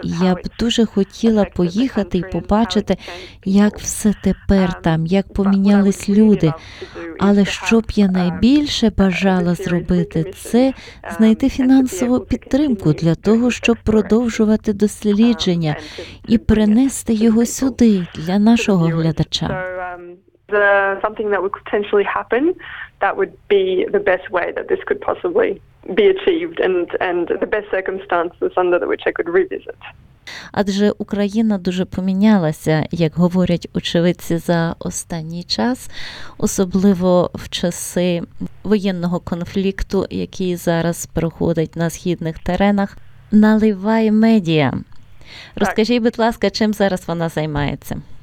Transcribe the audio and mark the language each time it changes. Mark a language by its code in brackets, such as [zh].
[uk] І я б дуже хотіла поїхати і побачити, як все тепер там, як помінялись люди. Але що б я найбільше бажала зробити, це знайти фінансову підтримку для того, щоб продовжувати дослідження і принести його сюди для нашого глядача. [en] Something that would potentially happen, that would be the best way that this could possibly be achieved and the best circumstances under which I could revisit. [uk] Адже Україна дуже помінялася, як говорять очевидці, за останній час, особливо в часи воєнного конфлікту, який зараз проходить на східних теренах. Наливай медіа. Розкажіть, будь ласка, чим зараз вона займається?